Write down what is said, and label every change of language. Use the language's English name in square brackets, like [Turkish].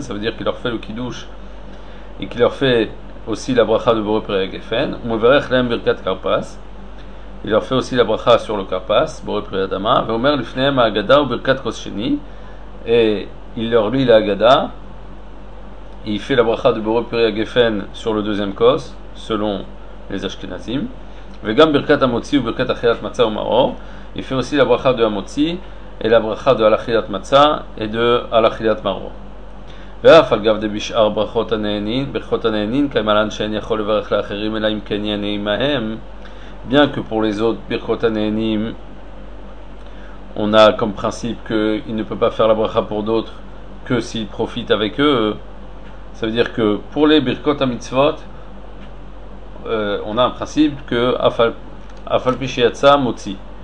[French] Ça veut dire qu'il leur fait le kiddush et qu'il leur fait aussi la bracha de Boré Péré Gefen, [Hebrew] Mouverech Lem Birkat Karpas, [French] il leur fait aussi la bracha sur le Karpas, Boré Péré Adama, [Hebrew] Veomer Lifneem Agada [French] ou Birkat Kosheni, et il leur lit la Agada, il fait la bracha de Boré Péré Gefen sur le deuxième Kos, selon les Ashkenazim, Vegam Birkat Amotzi ou Birkat Achilat Matzah ou Maror, il fait aussi la bracha de Amotzi, et la bracha de Al-Achilat Matzah et de Al-Achilat Maror. [Hebrew] ואף על גב דביש אר ברכות הנהנין, ברכות הנהנין, כמלן שאין יכול לברך לאחרים, אלא אם כן יענה מהם. [French] Bien que pour les autres, ברכות הנהנין, on a comme principe qu'il ne peut pas faire la bracha pour d'autres que s'il profite avec eux. Ça veut dire que pour les ברכות המצוות, on a un principe que [Hebrew] אף על פי שיצא מוציא.